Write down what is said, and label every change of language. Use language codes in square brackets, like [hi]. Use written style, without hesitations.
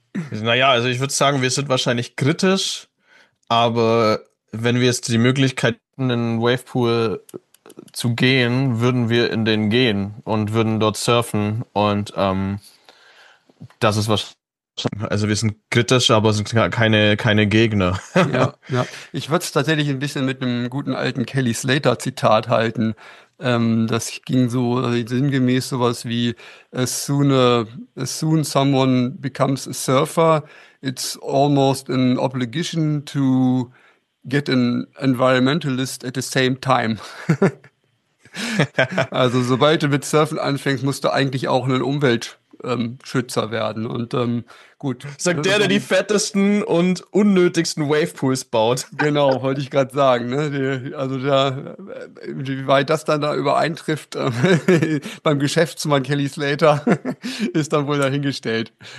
[de] Naja, also ich würde sagen, wir sind wahrscheinlich kritisch, aber wenn wir jetzt die Möglichkeit hätten, in den Wavepool zu gehen, würden wir in den gehen und würden dort surfen. Und das ist was. Also wir sind kritisch, aber sind keine Gegner. Ja. Ich würde es tatsächlich ein bisschen mit einem guten alten Kelly Slater-Zitat halten. Das ging so sinngemäß sowas wie [en] as soon someone becomes a surfer, it's almost an obligation to get an environmentalist at the same time. [de] Also sobald du mit Surfen anfängst, musst du eigentlich auch einen Umweltschützer werden. Und gut. Sagt der die fettesten und unnötigsten Wavepools baut. Genau, wollte ich gerade sagen. Ne? Wie weit das dann da übereintrifft beim Geschäftsmann Kelly Slater, ist dann wohl dahingestellt.